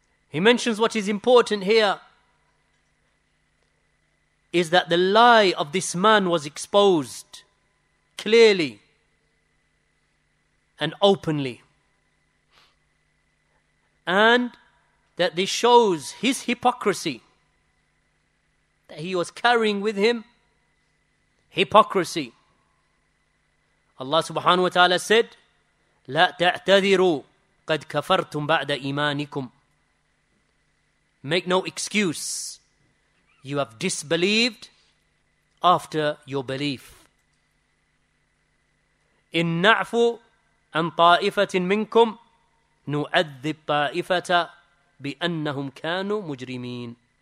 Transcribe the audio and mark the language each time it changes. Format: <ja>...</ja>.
<en>He mentions what is important here is that the lie of this man was exposed clearly and openly, and that this shows his hypocrisy that he was carrying with him? Hypocrisy. Allah subhanahu wa ta'ala said,</en> <ar>لَا تَعْتَذِرُوا قَدْ كَفَرْتُمْ بَعْدَ إِيمَانِكُمْ.</ar> <en>Make no excuse. You have disbelieved after your belief.</en> <ar>إِنْ نَعْفُ أَنْ طَائِفَةٍ مِنْكُمْ نُعَذِّبْ طَائِفَةَ بِأَنَّهُمْ كَانُوا مُجْرِمِينَ.</ar>